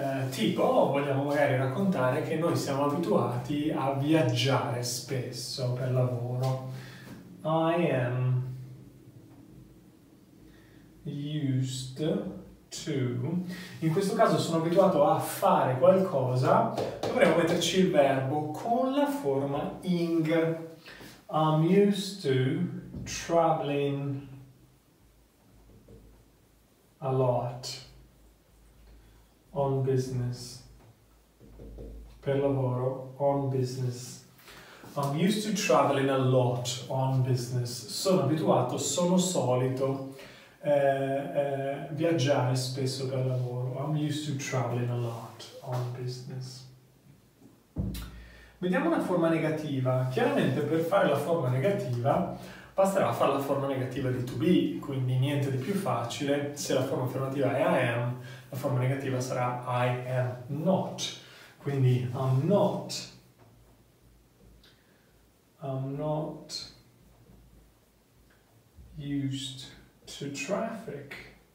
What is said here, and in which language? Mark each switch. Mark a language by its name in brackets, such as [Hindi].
[Italian] Tipo, vogliamo magari raccontare che noi siamo abituati a viaggiare spesso per lavoro. [English] I am used to. [Italian] In questo caso sono abituato a fare qualcosa, dovremmo metterci il verbo con la forma ing. [English] I'm used to traveling a lot on business. [Italian] Per lavoro, [English] on business. I'm used to traveling a lot on business. [Italian] Sono abituato, sono solito viaggiare spesso per lavoro. [English] I'm used to traveling a lot on business. [Italian] Vediamo una forma negativa. Chiaramente per fare la forma negativa basterà fare la forma negativa di to be, quindi niente di più facile. Se la forma affermativa è I am, la forma negativa sarà I am not. [English] Quindi I'm not used to traffic